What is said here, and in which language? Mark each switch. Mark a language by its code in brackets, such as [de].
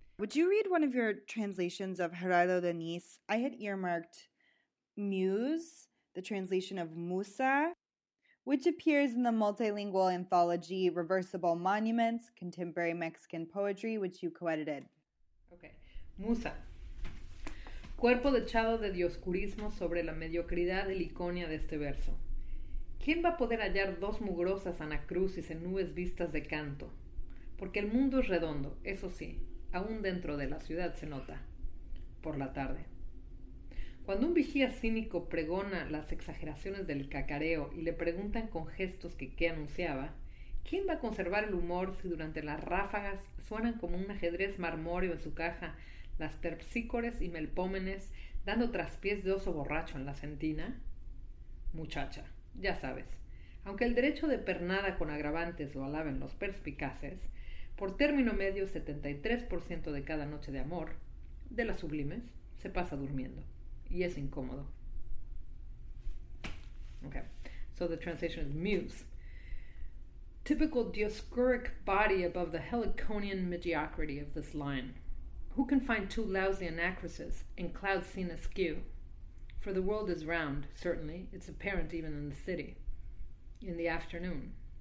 [en] Would you read one of your translations of Gerardo Denis? I had earmarked Muse, the translation of Musa, which appears in the multilingual anthology Reversible Monuments, Contemporary Mexican Poetry, which you co-edited. Okay. Musa. [es] Cuerpo dechado de dioscurismo sobre la mediocridad y liconia de este verso. ¿Quién va a poder hallar dos mugrosas anacrucis en nubes vistas de canto? Porque el mundo es redondo, eso sí. Aún dentro de la ciudad se nota, por la tarde. Cuando un vigía cínico pregona las exageraciones del cacareo y le preguntan con gestos que qué anunciaba, ¿quién va a conservar el humor si durante las ráfagas suenan como un ajedrez marmóreo en su caja las terpsícores y melpómenes dando traspiés de oso borracho en la sentina? Muchacha, ya sabes, aunque el derecho de pernada con agravantes lo alaben los perspicaces, por término medio, 73% de cada noche de amor, de las sublimes, se pasa durmiendo. Y es incómodo. [en] Okay, so the translation is Muse. Typical dioscuric body above the heliconian mediocrity of this line. Who can find two lousy anacrises in clouds seen askew? For the world is round, certainly. It's apparent even in the city. In the afternoon.